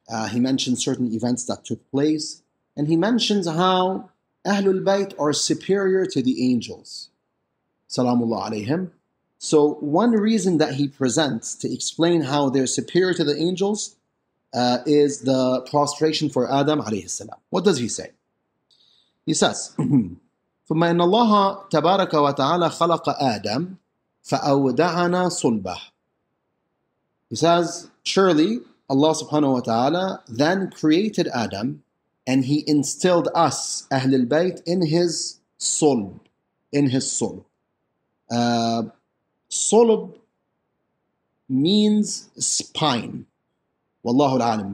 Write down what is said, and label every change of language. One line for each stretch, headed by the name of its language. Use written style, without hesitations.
English: He mentions certain events that took place, and he mentions how Ahlul Bayt are superior to the angels, salamullah alayhim. So one reason that he presents to explain how they're superior to the angels is the prostration for Adam alayhi salam. What does he say?
Arabic: He says, ثم إن الله تبارك وتعالى خلق آدم فأودعنا صلبه.
English: He says, surely Allah subhanahu wa ta'ala then created Adam, and he instilled us, Ahlul Bayt, in his sulb. In his sulb. Sulb means spine. Wallahu al-alam.